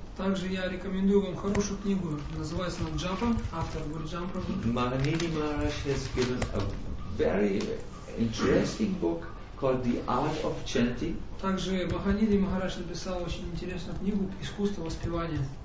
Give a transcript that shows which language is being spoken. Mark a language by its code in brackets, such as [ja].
[ru] Также я рекомендую вам хорошую книгу, называется она Japa, автор Burijan Prabhu. [en] Маганини Махарадж has given a very interesting book called The Art of Chanting. [ru] Также Маганини Махарадж написал очень интересную книгу «Искусство воспевания».